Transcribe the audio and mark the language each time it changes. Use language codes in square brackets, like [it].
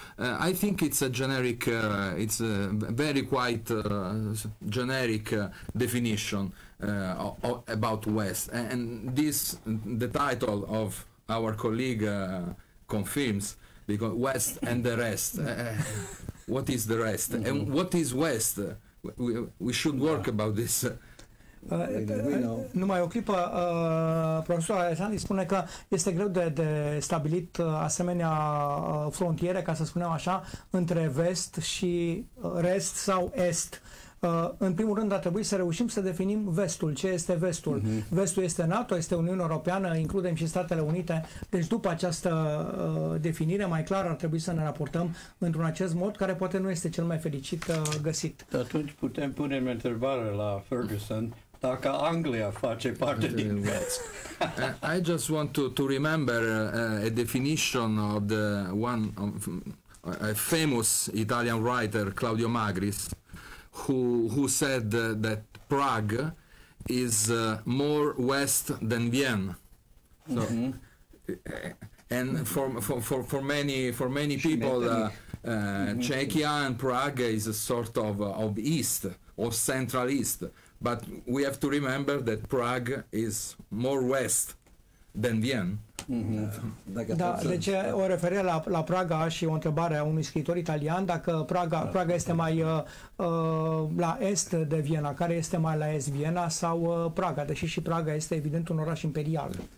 [en] I think it's a generic, it's a very quite generic definition. About West, and this, the title of our colleague confirms, because West and the rest, what is the rest, and what is West? We should work about this. [ro] Numai o clipă, profesorul Alexandru spune că este greu de stabilit asemenea frontiere, ca să spunem așa, între vest și rest sau est. În primul rând, a trebuit să reușim să definim vestul. Ce este vestul? Vestul este NATO, este Uniunea Europeană, includem și Statele Unite. Deci după această definire mai clară ar trebui să ne raportăm într-un acest mod care poate nu este cel mai fericit găsit. Atunci putem pune o întrebare la Ferguson. Dacă Anglia face parte din vest. [en] I just want to remember a definition of the one of a famous Italian writer, Claudio Magris, who said that Prague is more west than Vienna. So, and for many people, Czechia and Prague is a sort of east or central east. But we have to remember that Prague is more west than Vienna. [ro] Da, deci o referire la Praga și o întrebare a unui scriitor italian, dacă Praga este mai la est de Viena, care este mai la est, Viena sau Praga, deși și Praga este evident un oraș imperial.